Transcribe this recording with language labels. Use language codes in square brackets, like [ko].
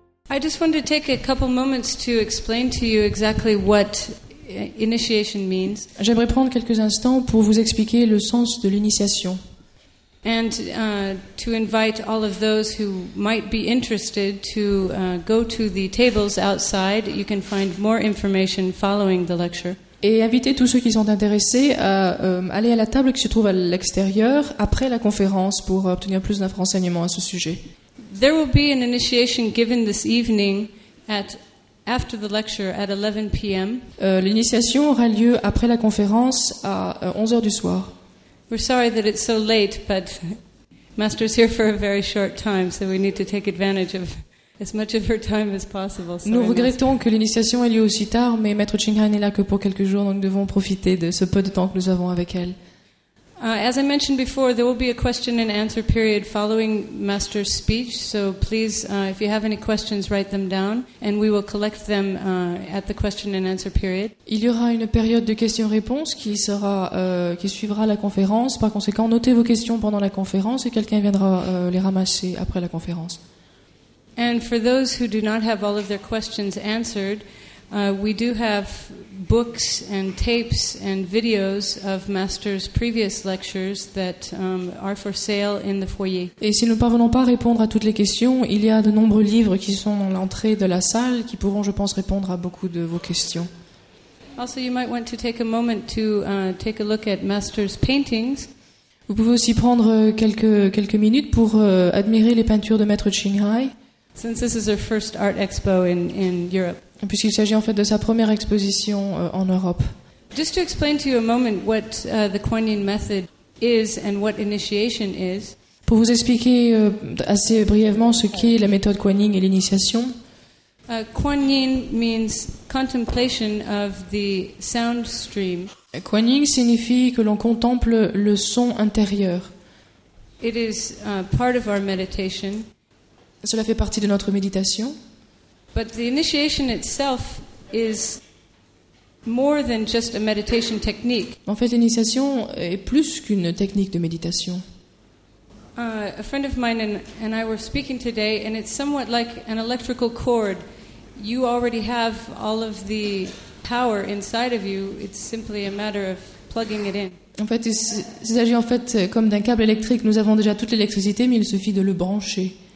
[en] I just wanted to take a couple moments to explain to you exactly what initiation means. [fr] J'aimerais prendre quelques instants pour vous expliquer le sens de l'initiation. [en] And to invite all of those who might be interested to go to the tables outside. You can find more information following the lecture. [fr] Et inviter tous ceux qui sont intéressés à aller à la table qui se trouve à l'extérieur après la conférence pour obtenir plus d'informations à ce sujet. [en] There will be an initiation given this evening after the lecture at 11 p.m. [fr] L'initiation aura lieu après la conférence à 11h du soir. [en] We're sorry that it's so late, but Master's here for a very short time, so we need to take advantage of as much of her time as possible. [fr] Sorry, nous regrettons Master. Que l'initiation ait lieu aussi tard, mais Maître Qinghai n'est là que pour quelques jours, donc devons profiter de ce peu de temps que nous avons avec elle. [en] As I mentioned before, there will be a question and answer period following Master's speech, so please, if you have any questions, write them down, and we will collect them at the question and answer period. [fr] Il y aura une période de questions-réponses qui suivra la conférence. Par conséquent, notez vos questions pendant la conférence et quelqu'un viendra les ramasser après la conférence. [en] And for those who do not have all of their questions answered, we do have books and tapes and videos of Master's previous lectures that are for sale in the foyer. [fr] Et si nous ne parvenons pas à répondre à toutes les questions, il y a de nombreux livres qui sont dans l'entrée de la salle qui pourront, je pense, répondre à beaucoup de vos questions. [en] Also, you might want to take a moment to take a look at Master's paintings. [fr] Vous pouvez aussi prendre quelques minutes pour admirer les peintures de Maître Qinghai. [en] Since this is our first art expo in Europe. [fr] Puisqu'il s'agit en fait de sa première exposition en Europe. [en] Just to explain to you a moment what the Kuan Yin method is and what initiation is. [fr] Pour vous expliquer assez brièvement ce qu'est la méthode Kuan Yin et l'initiation. [en] Kuan Yin means contemplation of the sound stream. [fr] Kuan Yin signifie que l'on contemple le son intérieur. [en] It is part of our meditation. [fr] Cela fait partie de notre méditation. [en] But the initiation itself is more than just a meditation technique. [fr] En fait, l'initiation est plus qu'une technique de méditation. [en] A friend of mine and I were speaking today, and it's somewhat like an electrical cord. You already have all of the power inside of you. It's simply a matter of plugging it in. [fr] En fait, il s'agit en fait comme d'un câble électrique. Nous avons déjà toute l'électricité, mais il suffit de le brancher.